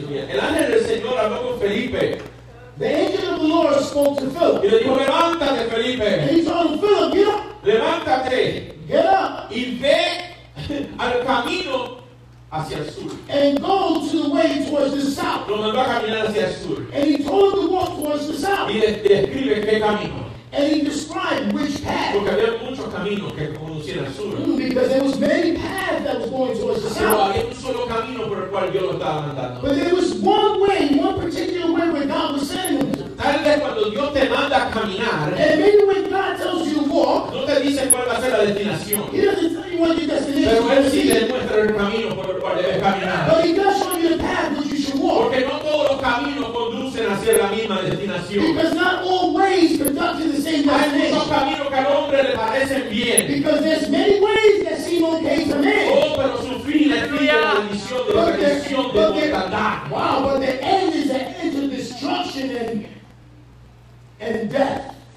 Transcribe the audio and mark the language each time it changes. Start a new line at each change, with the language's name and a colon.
Spanish: El ángel del Señor habló con Felipe.
English: The angel of the Lord spoke to Philip.
Spanish: Y le dijo, levántate, Felipe.
English: And he told Philip, get up.
Spanish: Levántate.
English: Get up.
Spanish: Y ve al camino hacia el sur.
English: And go to the way towards the south.
Spanish: Lo mandó a caminar hacia el sur.
English: And he told him to walk towards the south.
Spanish: Y describe qué camino.
English: And he described which path.
Spanish: Porque había muchos caminos que conducían al sur.
English: Because there was many paths that was going towards the south.
Spanish: Pero había un solo camino por el cual Dios lo estaba mandando.
English: But there was one way, one particular way where God was sending him.
Spanish: Tal vez cuando Dios te manda a caminar.
English: And maybe when God tells you to walk.
Spanish: No te dice cuál va a ser la destinación.
English: He doesn't tell you what your destination is.
Spanish: Pero él sí te muestra el camino por el cual debes caminar.
English: But he does show you the path which you should walk.
Spanish: Porque no todos los caminos conducen hacia la misma destinación.
English: Because not all ways conduct to the same destination.
Spanish: Hay muchos caminos que al hombre le parecen bien.
English: Because there's many ways that seem okay to man.
Spanish: Oh, pero su fin es la bendición de la bendición de mortandad.
English: Wow, but the end is the end of destruction and death.